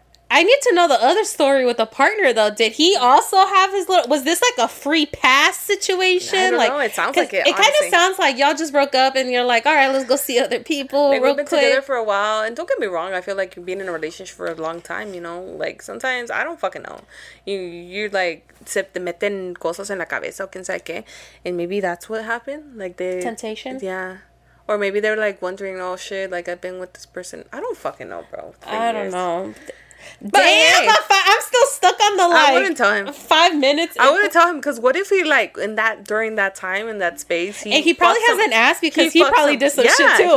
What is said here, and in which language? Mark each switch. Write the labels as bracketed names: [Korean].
[English] I need to know the other story with the partner, though. Did he also have his little... Was this, like, a free pass situation? I don't know. It sounds like it, It kind of sounds like y'all just broke up and you're like, all right, let's go see other people like, real quick. We've been together for a while. And don't get me wrong. I feel like being in a relationship for a long time, you know? Like, sometimes, I don't fucking know. You're like, [Spanish] se te meten cosas en la cabeza, o quien sabe qué. [English] And maybe that's what happened. Like, they... Temptation? Yeah. Or maybe they're, like, wondering, oh, shit, like, I've been with this person. I don't fucking know, bro. I don't know. I'm still stuck on the line. I wouldn't tell him 5 minutes. I wouldn't tell him because what if he like in that during that time in that space he probably hasn't asked because he probably did some shit too.